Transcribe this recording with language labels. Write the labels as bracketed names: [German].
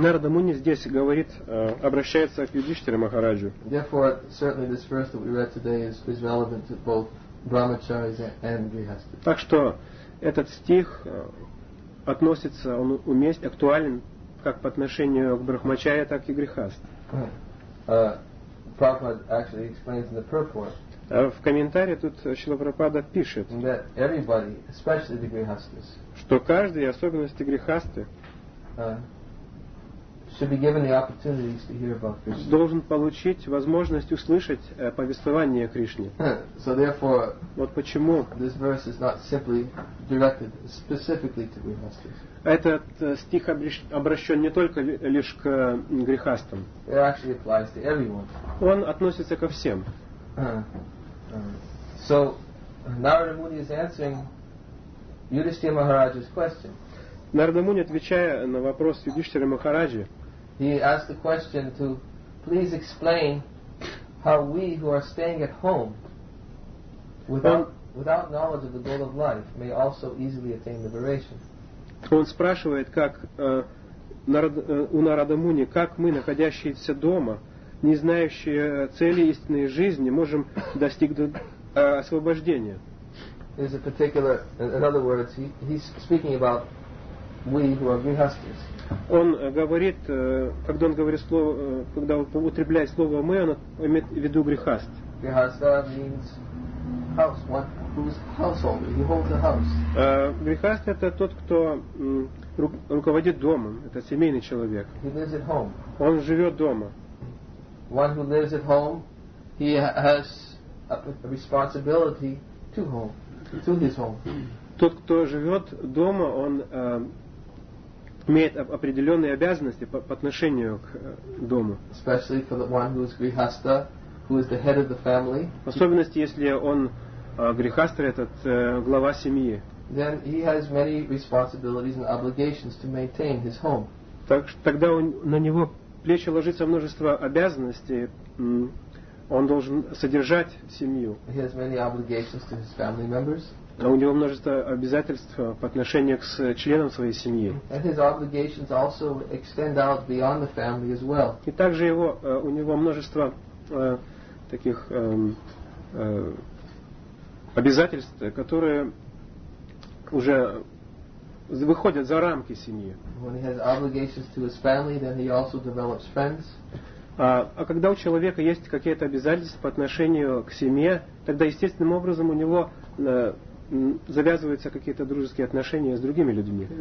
[Russian] Муни здесь говорит, обращается к Юдхиштхире Махараджу. [English] Therefore, certainly this verse that we read today is relevant to both brahmacharis and grihastas. [Russian] Так что этот стих относится, он уместен, актуален как по отношению к брахмачаре, так и грихаст. [English] Prabhupada actually explains in the purport. [Russian] В комментарии тут Шрила Прабхупада пишет, [English] that everybody, especially the grihastas, [Russian] что каждый, особенности грихасты, [English] should be given the opportunities to hear about Krishna. [Russian] Должен получить возможность услышать повествование о Кришне. [English] So therefore, [Russian] вот почему [English] this verse is not simply directed specifically to grihastas. [Russian] Этот стих обращен не только лишь к грихастам. [English] It actually applies to everyone. [Russian] Он относится ко всем. [English] So Narada Muni is answering Yudhishthira Maharaja's question. [Russian] Нарада Муни, отвечая на вопрос Юдхиштхира Махараджи, [English] he asked the question to please explain how we who are staying at home without knowledge of the goal of life may also easily attain liberation. [Russian] Он спрашивает, как у Нарада Муни, как мы, находящиеся дома, не знающие цели истинной жизни, можем достигнуть освобождения. [English] There's a particular, in other words, he's speaking about we who are grihastas. [Russian] Он говорит, когда он говорит слово, когда употребляет слово мы, он имеет в виду грихаст. [English] Grihasta means house, whose householder, he holds a house. [Russian] Грихаст — это тот, кто руководит домом, это семейный человек. [English] He lives at home. [Russian] Он живет дома. [English] One who lives at home, he has a responsibility to home, to his home. [Russian] Тот, кто живет дома, он имеет определенные обязанности по отношению к дому. [English] Especially for the one who is grihasta, who is the head of the family. [Russian] В особенности, если он грихастра, этот глава семьи. [English] Then he has many responsibilities and obligations to maintain his home. [Russian] Так что тогда он на него плечи ложится множество обязанностей, он должен содержать семью. [English] He has many obligations to his family members. [Russian] А у него множество обязательств по отношению к членам своей семьи. [English] And his obligations also extend out beyond the family as well. [Russian] И также его, у него множество таких обязательств, которые уже выходят за рамки семьи. [English] When he has obligations to his family, then he also develops friends. [Russian] А когда у человека есть какие-то обязательства по отношению к семье, тогда естественным образом у него завязываются какие-то дружеские отношения с другими людьми.